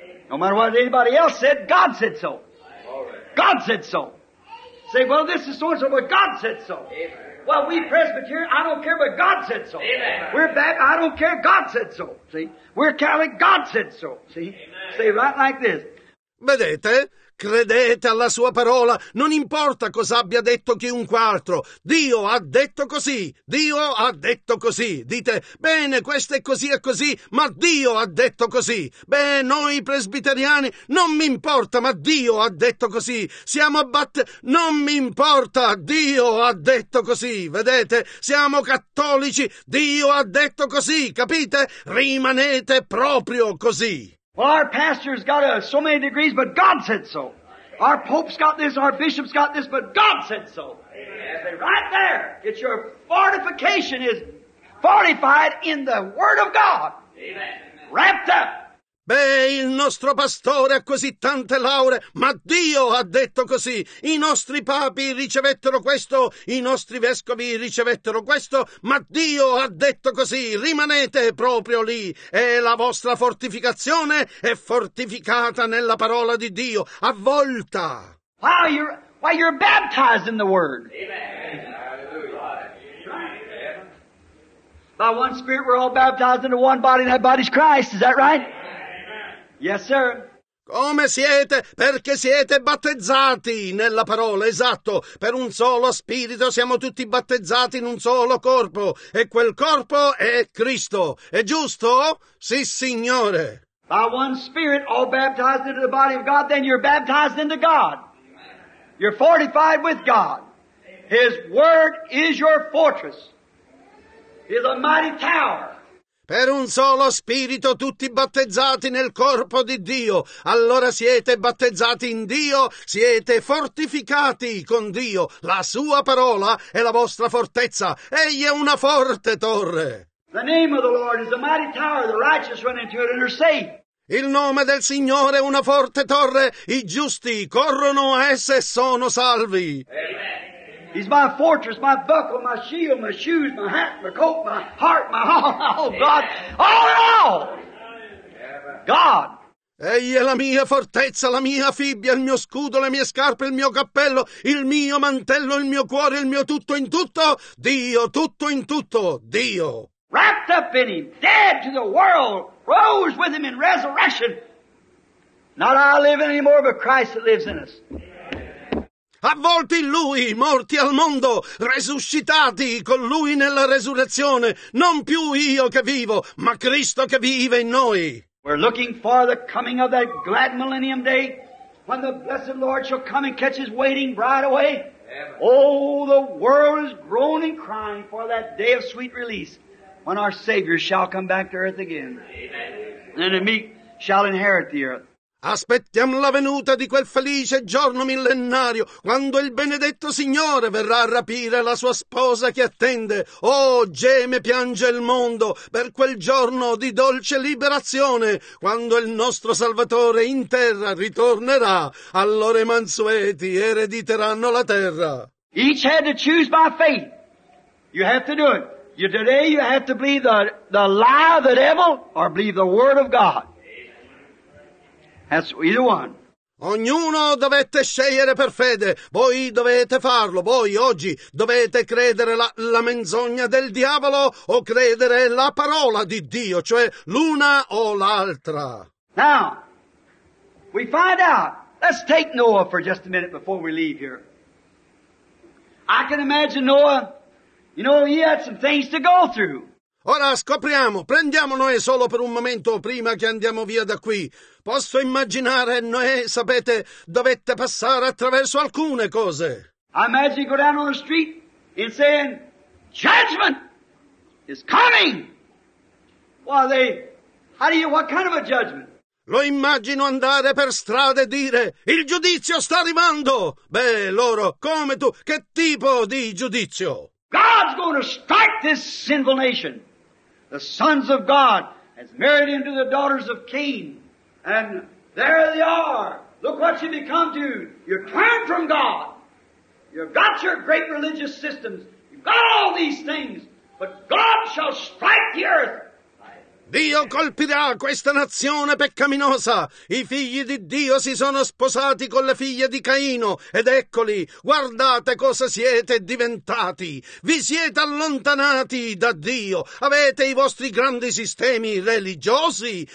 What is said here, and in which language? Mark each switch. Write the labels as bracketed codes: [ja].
[en] No matter what anybody else said, God said so. God said so. Say, well, this is so-and-so, but God said so. Amen. Well, we Presbyterian, I don't care, but God said so. Amen. We're Baptist, I don't care, God said so. See? We're Catholic, God said so. See? Amen. Say right like this. [it] Vedete? Credete alla sua parola, non importa cosa abbia detto chiunque altro. Dio ha detto così, Dio ha detto così. Dite, bene, questo è così e così, ma Dio ha detto così. Beh, noi presbiteriani, non mi importa, ma Dio ha detto così. Siamo non mi importa, Dio ha detto così. Vedete, siamo cattolici, Dio ha detto così, capite? Rimanete proprio così. [en] Well, our pastor's got so many degrees, but God said so. Our pope's got this, our bishop's got this, but God said so. Amen. Right there, get your fortification is fortified in the Word of God. Amen. Wrapped up. [it] Beh, il nostro pastore ha così tante lauree, ma Dio ha detto così. I nostri papi ricevettero questo, i nostri vescovi ricevettero questo, ma Dio ha detto così. Rimanete proprio lì, e la vostra fortificazione è fortificata nella parola di Dio, avvolta. [en] Wow, you're baptized in the Word. Amen. Hallelujah. By one Spirit we're all baptized into one body, and that body's Christ, is that right? Yes, sir. [it] Come siete? Perché siete battezzati nella parola, esatto. Per un solo spirito siamo tutti battezzati in un solo corpo. E quel corpo è Cristo. È giusto? Sì, Signore. [en] By one spirit, all baptized into the body of God, then you're baptized into God. You're fortified with God. His word is your fortress. He's a mighty tower. [it] Per un solo spirito tutti battezzati nel corpo di Dio. Allora siete battezzati in Dio, siete fortificati con Dio. La sua parola è la vostra fortezza. Egli è una forte torre. [en] The name of the Lord is a mighty tower. The righteous run into it and are safe. [it] Il nome del Signore è una forte torre. I giusti corrono a esse e sono salvi. [en] He's my fortress, my buckle, my shield, my shoes, my hat, my coat, my heart, my all, oh God, all in all! God! [it] Egli è la mia fortezza, la mia fibbia, il mio scudo, le mie scarpe, il mio cappello, il mio mantello, il mio cuore, il mio tutto in tutto, Dio, tutto in tutto, Dio! [en] Wrapped up in Him, dead to the world, rose with Him in resurrection. Not I live anymore, but Christ that lives in us. [it] avvolti in Lui, morti al mondo, resuscitati con Lui nella resurrezione, non più io che vivo, ma Cristo che vive in noi. [en] We're looking for the coming of that glad millennium day, when the blessed Lord shall come and catch His waiting bride away. Oh, the world is groaning, crying for that day of sweet release, when our Savior shall come back to earth again. And the meek shall inherit the earth. [it] Aspettiamo la venuta di quel felice giorno millenario, quando il benedetto Signore verrà a rapire la sua sposa che attende. Oh, geme e piange il mondo per quel giorno di dolce liberazione, quando il nostro Salvatore in terra ritornerà, allora i mansueti erediteranno la terra. [en] Each had to choose by faith. You have to do it. Today you have to believe the lie of the devil or believe the word of God. That's either one. [it] Ognuno dovette scegliere per fede. Voi dovete farlo. Voi oggi dovete credere la menzogna del diavolo o credere la parola di Dio, cioè l'una o l'altra. [en] Now, we find out. Let's take Noah for just a minute before we leave here. I can imagine Noah, you know, he had some things to go through. [it] Ora scopriamo, prendiamo Noè solo per un momento prima che andiamo via da qui. Posso immaginare Noè, sapete, dovette passare attraverso alcune cose. [en] I imagine go down on the street and saying, judgment is coming. Well, what kind of a judgment? [it] Lo immagino andare per strada e dire, il giudizio sta arrivando. Beh, loro, come tu, che tipo di giudizio? [en] God's going to strike this sinful nation. The sons of God has married into the daughters of Cain. And there they are. Look what you become to. You turned from God. You've got your great religious systems. You've got all these things. But God shall strike the earth. [it] Dio colpirà questa nazione peccaminosa. I figli di Dio si sono sposati con le figlie di Caino. Ed eccoli, guardate cosa siete diventati. Vi siete allontanati da Dio. Avete i vostri grandi sistemi religiosi.